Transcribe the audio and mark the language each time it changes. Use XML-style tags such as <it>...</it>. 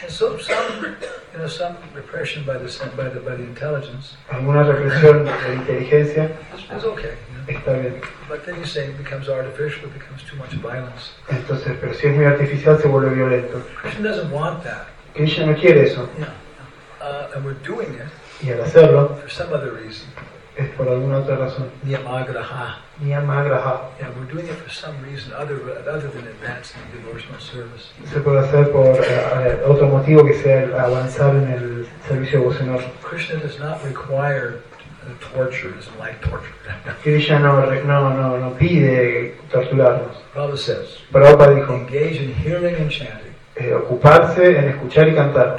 <en>And so some, you know, some repression by the intelligence.</en> <es>Alguna represión de inteligencia.</es> <en>It's okay.</en> <es>Está bien.</es> <en>But then you say it becomes artificial. It becomes too much violence.</en> <es>Entonces, pero si es muy artificial, se vuelve violento.</es> <en>Krishna doesn't want that.</en> <es>Krishna no quiere eso.</es> <en>Yeah. And we're doing it.</en> <es>Y al hacerlo,</es> <en>for some other reason,</en> <es>es por alguna otra razón.</es> <en>Niyamagraha.</en> <es>Niyamagraha.</es> <en>Yeah, we're doing it for some reason other than advancing the devotional service.</en> <es>Se puede hacer por otro motivo que sea el avanzar en el servicio devocional.</es> <en>Krishna does not require torture. It doesn't like torture.</en> <es>Krishna no pide torturarnos.</es> <en>Prabhupada says.</en> <es>Prabhupada dijo.</es> <en>Engage in hearing and chanting.</en> <es>Ocuparse en escuchar y cantar.</es>